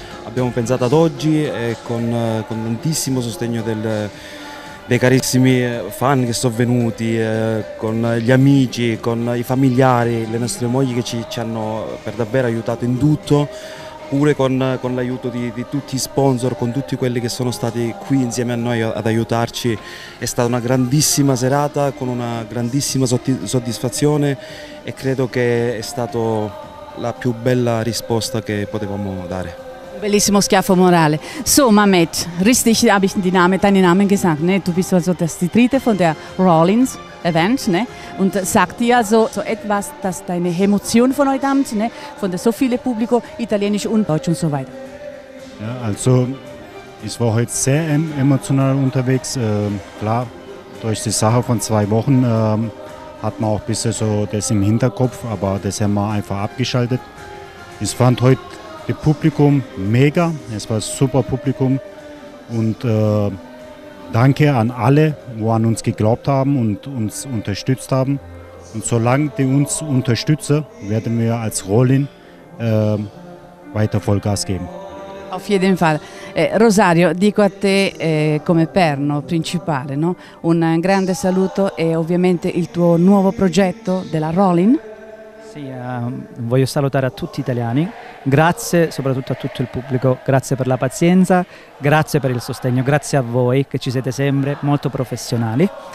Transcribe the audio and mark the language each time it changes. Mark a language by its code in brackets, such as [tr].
[it] Abbiamo pensato ad oggi e con tantissimo sostegno dei carissimi fan che sono venuti, con gli amici, con i familiari, le nostre mogli che ci hanno per davvero aiutato in tutto, pure con l'aiuto di tutti i sponsor, con tutti quelli che sono stati qui insieme a noi ad aiutarci. È stata una grandissima serata con una grandissima soddisfazione e credo che è stata la più bella risposta che potevamo dare. Bellissimo schiaffo morale. [de] So, Mamet, richtig habe ich den Namen, deinen Namen gesagt, ne? Du bist also das die dritte von der Rollins Event, ne? Und sagt dir also so etwas, dass deine Emotion von heute Abend, ne? Von der so viele Publikum, italienisch und deutsch und so weiter. Ja, also ich war heute sehr emotional unterwegs. Klar, durch die Sache von 2 Wochen hat man auch ein bisschen so das im Hinterkopf, aber das haben wir einfach abgeschaltet. Ich fand heute das Publikum mega, es war ein super Publikum und danke an alle, die an uns geglaubt haben und uns unterstützt haben. Und solange die uns unterstützen, werden wir als Rollin weiter Vollgas geben. Auf jeden Fall. [it] Rosario, dico a te come perno principale, no? Un grande saluto e ovviamente il tuo nuovo progetto della Rollin. Sì, voglio salutare a tutti gli italiani. Grazie soprattutto a tutto il pubblico, grazie per la pazienza, grazie per il sostegno, grazie a voi che ci siete sempre molto professionali.